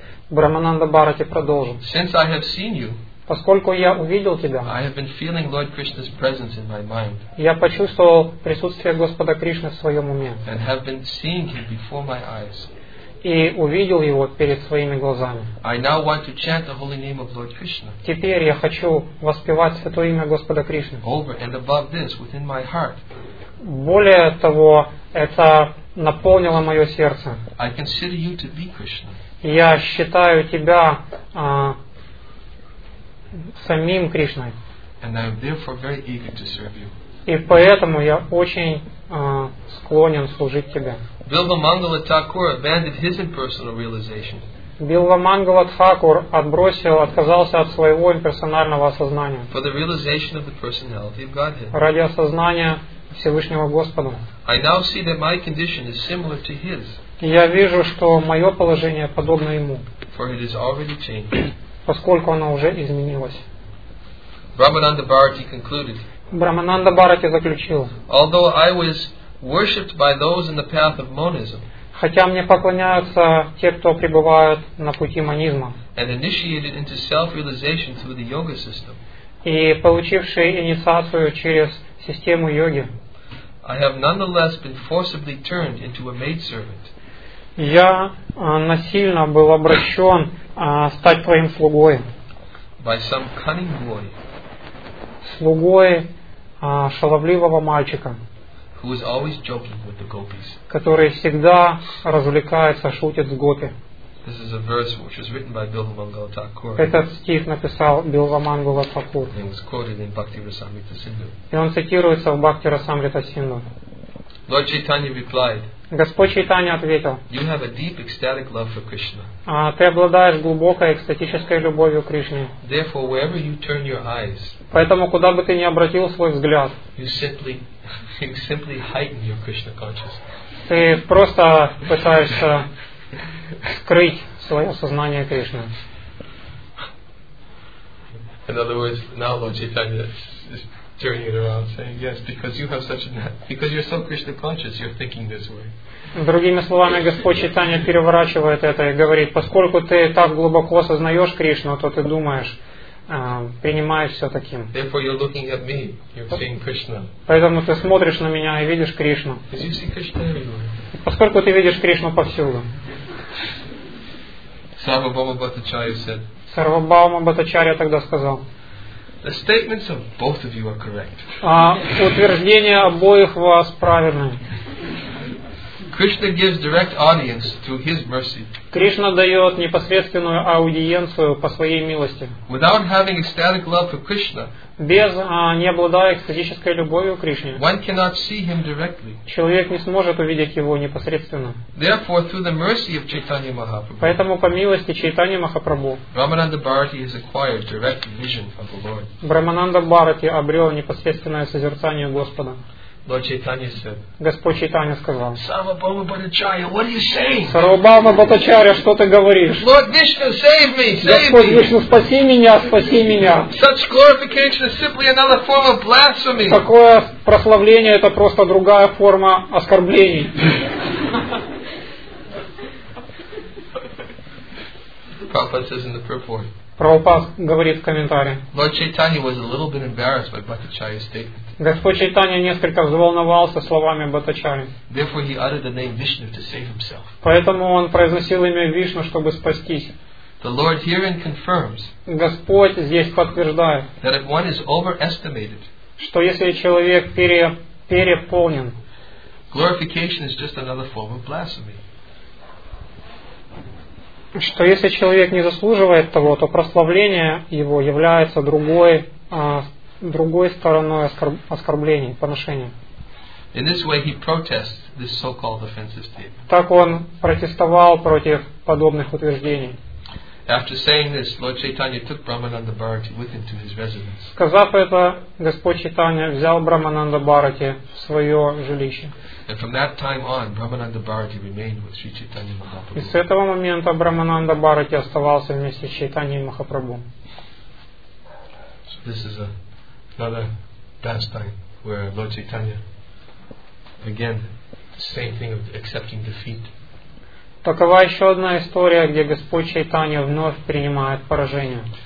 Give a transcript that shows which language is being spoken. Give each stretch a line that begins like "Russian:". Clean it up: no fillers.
Russian: Брахмананда Бхарати продолжил.
English: Since I have seen you,
Russian: поскольку я увидел тебя,
English: I have been feeling Lord Krishna's presence in my mind.
Russian: Я почувствовал присутствие Господа Кришны в своем уме.
English: And have been seeing him before my eyes.
Russian: И увидел его перед своими глазами.
English: I now want to chant the holy name of Lord Krishna.
Russian: Теперь я хочу воспевать святое имя Господа Кришны.
English: Over and above this, within my heart.
Russian: Более того, это наполнило мое сердце.
English: I consider you to be Krishna.
Russian: Я считаю тебя самим Кришной.
English: And I am therefore very eager to serve you.
Russian: И поэтому я очень склонен служить тебе.
English: Билва Мангала Такур abandoned his impersonal realization.
Russian: Билва Мангала Такур отказался от своего имперсонального осознания.
English: For the realization of the personality of Godhead.
Russian: Ради осознания Всевышнего Господа.
English: I now see that my condition is similar to his.
Russian: Я вижу, что мое положение подобно ему.
English: For it is already changed.
Russian: Поскольку оно уже изменилось.
English: Brahmananda Bharati concluded.
Russian: Брахмананда Бхарати заключил.
English: Although I was worshipped by those in the path of monism.
Russian: Хотя мне поклоняются те, кто пребывают на пути монизма.
English: And initiated into self-realization through the yoga system.
Russian: И получившие инициацию через систему йоги.
English: I have nonetheless been forcibly turned into a maidservant.
Russian: Я насильно был обращен стать твоим слугой.
English: By some cunning boy.
Russian: Слугой шаловливого мальчика.
English: Who is always joking with the gopis.
Russian: Который всегда развлекается, шутит с гопи.
English: This is a verse which was written by Bilvamangala Thakur.
Russian: Этот стих написал Билвамангала Такур.
English: And was quoted in Bhakti Rasamrita Sindhu.
Russian: И он цитируется в Бхакти Расамрита Синдху.
English: Lord Chaitanya replied.
Russian: Господь Чайтанья ответил.
English: You have a deep ecstatic love for Krishna.
Russian: Ты обладаешь глубокой экстатической любовью к Кришне.
English: Therefore, wherever you turn your eyes.
Russian: Поэтому куда бы ты ни обратил свой взгляд.
English: You simply heighten your Krishna consciousness.
Russian: Ты просто пытаешься скрыть свое сознание Кришны.
English: In other words, now Lord Chaitanya is turning it around, saying, "Yes, because you're so Krishna conscious, you're thinking this way."
Russian: Другими словами, Господь Чайтанья переворачивает это и говорит, поскольку ты так глубоко осознаешь Кришну, то ты думаешь, принимаешь все таким.
English: Therefore, you're looking at me, you're seeing Krishna.
Russian: Поэтому ты смотришь на меня и видишь Кришну.
English: Because you see Krishna everywhere.
Russian: Поскольку ты видишь Кришну повсюду.
English: Sarvabhauma Bhattacharya said.
Russian: Sarvabhauma Bhattacharya тогда сказал.
English: The statements of both of you are correct.
Russian: Утверждения обоих вас правильны.
English: Krishna gives direct audience through His mercy.
Russian: Кришна дает непосредственную аудиенцию по своей милости.
English: Without having ecstatic love for Krishna.
Russian: Без не обладая экстатической любовью к Кришне.
English: One cannot see Him directly.
Russian: Человек не сможет увидеть Его непосредственно.
English: Therefore, through the mercy of Chaitanya Mahaprabhu.
Russian: Поэтому по милости Чайтанья Махапрабху.
English: Brahmananda Bharati has acquired direct vision of the Lord.
Russian: Брахмананда Бхарати обрел непосредственное созерцание Господа.
English: Lord Chaitanya said.
Russian: Господь Чайтанья сказал.
English: Sarvabhauma Bhattacharya, what are you saying?
Russian: Sarvabhauma Bhattacharya, что ты говоришь?
English: Lord Vishnu, save me, save me.
Russian: Господь Вишну, спаси меня, спаси меня.
English: Such glorification is simply another form of blasphemy.
Russian: Такое прославление это просто другая форма оскорблений.
English: Prabhupada says in the purport.
Russian: Прабхупад говорит в комментарии.
English: Lord Chaitanya was a little bit embarrassed by Bhattacharya's statement.
Russian: Господь Чайтанья несколько взволновался словами Бхаттачари.
English: Therefore he uttered the name Vishnu to save himself.
Russian: Поэтому он произносил имя Вишну, чтобы спастись.
English: The Lord herein confirms.
Russian: Господь здесь подтверждает.
English: That if one is overestimated.
Russian: Что если человек переполнен.
English: Glorification is just another form of blasphemy.
Russian: Что если человек не заслуживает того, то прославление его является другой стороной оскорблений, поношения.
English: In this way he protests this so-called offensive statement.
Russian: Так он протестовал против подобных утверждений.
English: After saying this, Lord Chaitanya took Brahmananda Bharati with him to his residence.
Russian: Сказав это, Господь Чайтанья взял Брахмананда Бхарати в свое жилище.
English: And from that time on, Brahmananda Bharati remained with Sri Chaitanya Mahaprabhu.
Russian: И с этого момента Брахмананда Бхарати оставался вместе с Чайтаньей Махапрабху.
English: So this is another pastime where Lord Chaitanya, again, the same thing of accepting defeat.
Russian: Такова еще одна история, где Господь Чайтанья вновь принимает поражение.